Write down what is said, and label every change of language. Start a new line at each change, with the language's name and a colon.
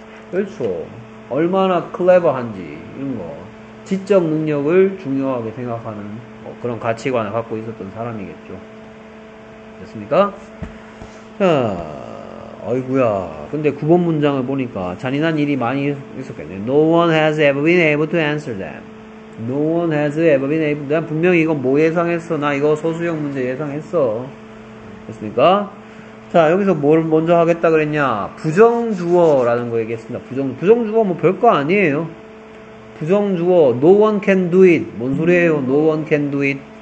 Korean: 그렇죠. 얼마나 클레버한지, 이런 거. 지적 능력을 중요하게 생각하는. 뭐 그런 가치관을 갖고 있었던 사람이겠죠. 됐습니까? 자, 아이구야. 근데 9번 문장을 보니까 잔인한 일이 많이 있었겠네.
English: No one has ever been able to answer them. No one has ever been able to.
Korean: 난 분명히 이건 뭐 예상했어. 나 이거 소수형 문제 예상했어. 됐습니까? 자, 여기서 뭘 먼저 하겠다 그랬냐. 부정주어라는 거 얘기했습니다. 부정주어 뭐 별거 아니에요.
English: 부정주어 no one can do it
Korean: 뭔 소리예요?
English: No one can do it.